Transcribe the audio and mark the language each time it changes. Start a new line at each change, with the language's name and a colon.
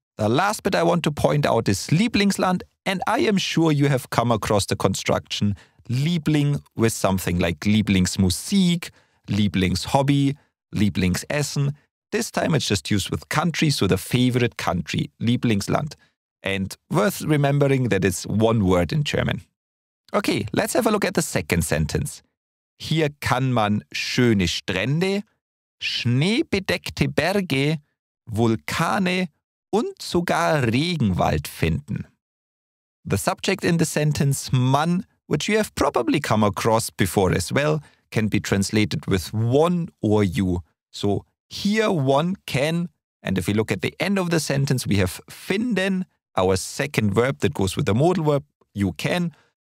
English: The last bit I want to point out is Lieblingsland, and I am sure you have come across the construction Liebling with something like Lieblingsmusik, Lieblingshobby, Lieblingsessen. This time it's just used with country, so the favorite country, Lieblingsland. And worth remembering that it's one word in German. Okay, let's have a look at the second sentence.
German: Hier kann man schöne Strände, schneebedeckte Berge, Vulkane und sogar Regenwald finden.
English: The subject in the sentence man, which you have probably come across before as well, can be translated with one or you. So here one can, and if we look at the end of the sentence, we have finden, our second verb that goes with the modal verb, you can.